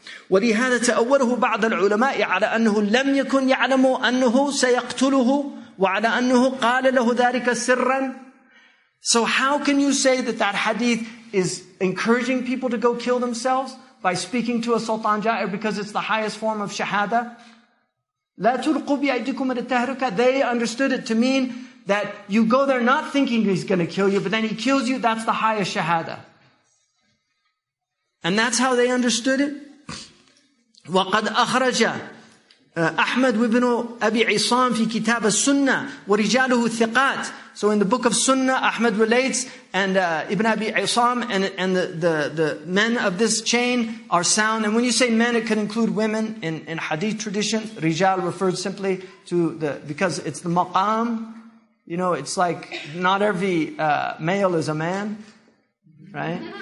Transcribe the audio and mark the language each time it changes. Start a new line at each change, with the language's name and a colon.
Arabic: ولهذا تأوله بعض العلماء على أنه لم يكن يعلم أنه سيقتله وعلى أنه قال له ذلك سرا.
English: So how can you say that that hadith is encouraging people to go kill themselves by speaking to a Sultan Jair, because it's the highest form of shahada?
Arabic: لا تلقوا بأيديكم إلى التهلكة.
English: They understood it to mean that you go there not thinking he's going to kill you, but then he kills you. That's the highest shahada. And that's how they understood it.
Arabic: وقد أخرج أحمد بن أبي عصام في كتاب السنة ورجاله الثقات.
English: So in the book of Sunnah, Ahmad relates, and Ibn Abi Isam and the men of this chain are sound. And when you say men, it can include women in hadith tradition. Rijal refers simply to the, because it's the maqam. You know, it's like not every male is a man, right?